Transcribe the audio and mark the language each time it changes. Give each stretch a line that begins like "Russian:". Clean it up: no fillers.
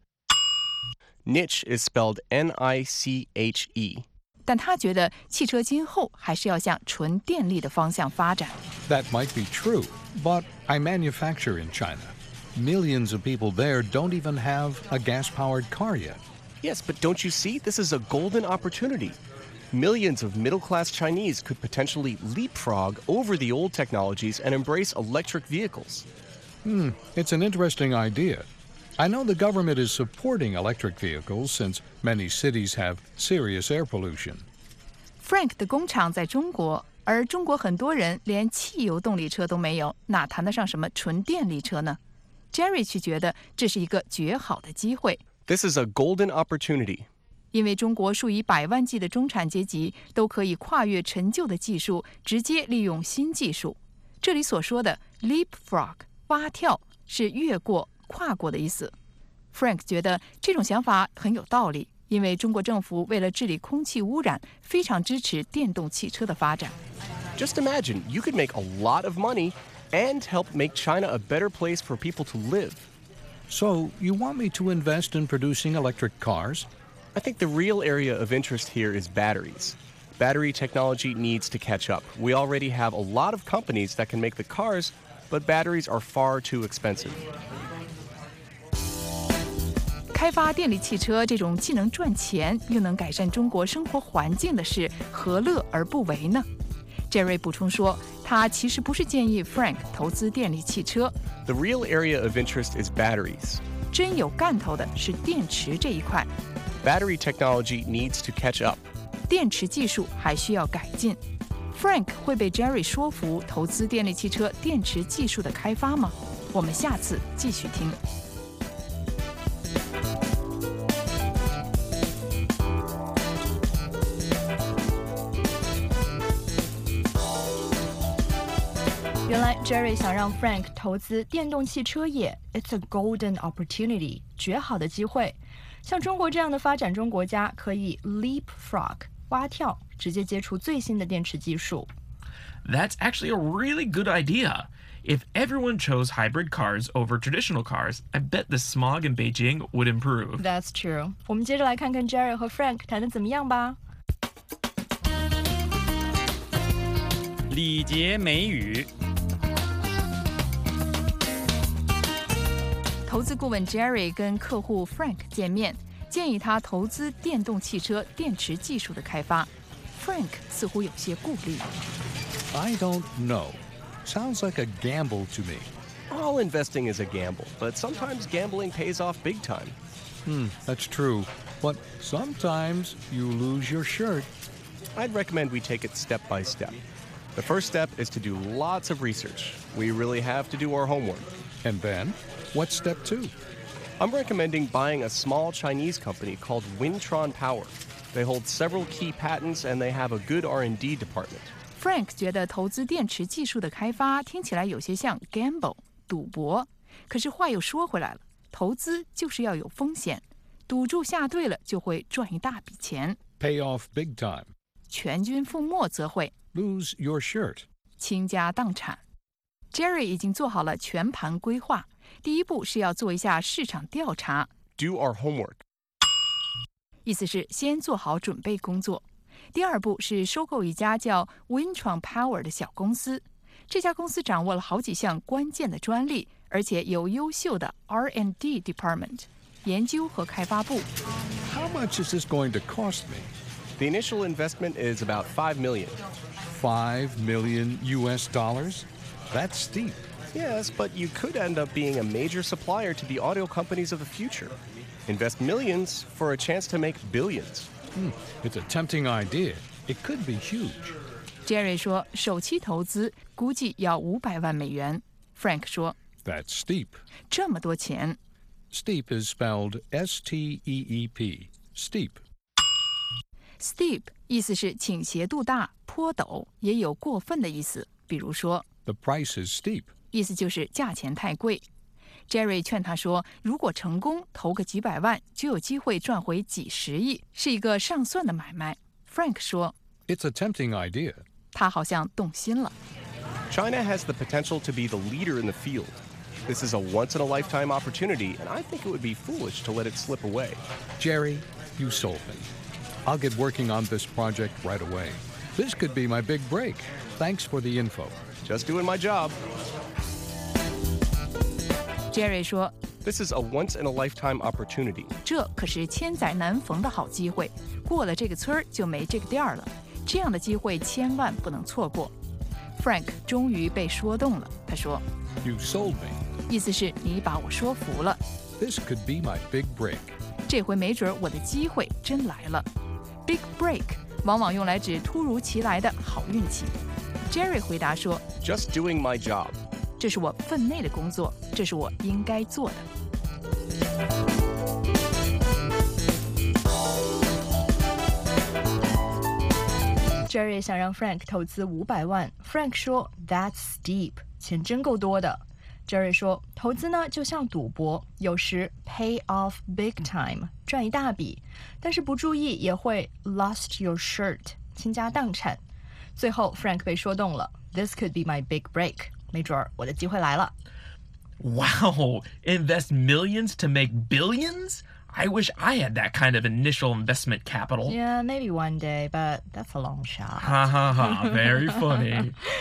English: Niche. Niche is spelled N-I-C-H-E.
Chinese: 但他觉得汽车今后还是要向纯电力的方向发展。
English: That might be true, but I manufacture in China. Millions of people there don't even have a gas-powered car yet. Yes, but don't you see? This is a golden opportunity. Millions of middle-class Chinese could potentially leapfrog over the old technologies and embrace electric vehicles. It's an interesting idea. I know the government is supporting electric vehicles since many cities have serious air pollution.
Chinese: Frank 的工厂在中国，而中国很多人连汽油动力车都没有，哪谈得上什么纯电力车呢？ Jerry 却觉得这是一个绝好的机会。 This is a golden opportunity. 因为中国数以百万计的中产阶级都可以跨越陈旧的技术，直接利用新技术。这里所说的 leapfrog 蛙跳是越过。跨过的意思。 Frank 觉得这种想法很有道理，因为中国政府为了治理空气污染，非常支持电动汽车的发展。
English: Just imagine, you could make a lot of money and help make China a better place for people to live. So, you want me to invest in producing electric cars? I think the real area of interest here is batteries. Battery technology needs to catch up. We already have a lot of companies that can make the cars, but batteries are far too expensive.
Chinese: 开发电力汽车这种既能赚钱又能改善中国生活环境的事，何乐而不为呢？ Jerry 补充说，他其实不是建议 Frank 投资电力汽车。
English: The real area of interest is batteries.
Chinese: 真有干头的是电池这一块。
English: Battery technology needs to catch up.
Chinese: 电池技术还需要改进。 Frank 会被 Jerry 说服投资电力汽车电池技术的开发吗？我们下次继续听。 Jerry 想让 Frank 投资电动汽车业 It's a golden opportunity 绝好的机会像中国这样的发展中国家可以 leapfrog 蛙跳直接接触最新的电池技术
English: That's actually a really good ideaIf everyone chose hybrid cars over traditional cars, I bet the smog in Beijing would improve. That's true.
Chinese: 我们接着来看看 Jerry 和 Frank 谈得怎么样吧。礼节美语。投资顾问 Jerry 跟客户 Frank 见面，建议他投资电动汽车电池技术的开发。 Frank 似乎有些顾虑。
English: I don't know. Sounds like a gamble to me. All investing is a gamble, but sometimes gambling pays off big time. That's true. But sometimes you lose your shirt. I'd recommend we take it step by step. The first step is to do lots of research. We really have to do our homework. And then, what's step two? I'm recommending buying a small Chinese company called Wintron Power. They hold several key patents and they have a good R&D department.
Chinese: Frank 觉得投资电池技术的开发听起来有些像 gamble, 赌博。可是话又说回来了，投资就是要有风险，赌注下对了就会赚一大笔钱。
English: Pay off big time.
Chinese: 全军覆没则会。
English: Lose your shirt.
Chinese: 倾家荡产。 Jerry 已经做好了全盘规划，第一步是要做一下市场调查。
English: Do our homework.
Chinese: 意思是先做好准备工作。第二步是收购一家叫 Wintron Power 的小公司。这家公司掌握了好几项关键的专利，而且有优秀的 R&D department 研究和开发部。
English: How much is this going to cost me? The initial investment is about $5 million. $5 million US? That's steep. Yes, but you could end up being a major supplier to the auto companies of the future. Invest millions for a chance to make billions. It's a tempting idea. It could be huge.
Chinese: Jerry 说首期投资估计要$5 million. Frank 说
English: That's steep.
Chinese: 这么多钱。
English: Steep is spelled S-T-E-E-P. Steep.
Chinese: Steep 意思是倾斜度大、颇陡，也有过分的意思。比如说
English: The price is steep.
Chinese: 意思就是价钱太贵。 Jerry 劝他说，如果成功，投个几百万，就有机会赚回几十亿，是一个上算的买卖。 Frank 说
English: It's a tempting idea.
Chinese: 他好像动心了。
English: China has the potential to be the leader in the field. This is a once-in-a-lifetime opportunity, and I think it would be foolish to let it slip away. Jerry, you sold me. I'll get working on this project right away. This could be my big break. Thanks for the info. Just doing my job.
Chinese: Jerry 说
English: This is a once-in-a-lifetime opportunity.
Chinese: 这可是千载难逢的好机会，过了这个村就没这个店了，这样的机会千万不能错过。 Frank 终于被说动了，他说
English: You sold me.
Chinese: 意思是你把我说服了。
English: This could be my big break.
Chinese: 这回没准我的机会真来了。
English: Big break
Chinese: 往往用来指突如其来的好运气。 Jerry 回答说
English: Just doing my job.
Chinese: 这是我分内的工作，这是我应该做的。 Jerry 想让 Frank 投资500万 ，Frank 说
English: That's steep，
Chinese: 钱真够多的。 Jerry 说，投资呢就像赌博，有时
English: pay off big time，
Chinese: 赚一大笔，但是不注意也会
English: lost your shirt，
Chinese: 倾家荡产。最后 Frank 被说动了
English: ，This could be my big break。
Chinese: 没准儿我的机会来了。
English: Wow, invest millions to make billions? I wish I had that kind of initial investment capital. Yeah, maybe one day, but that's a long shot. Ha ha ha, very funny.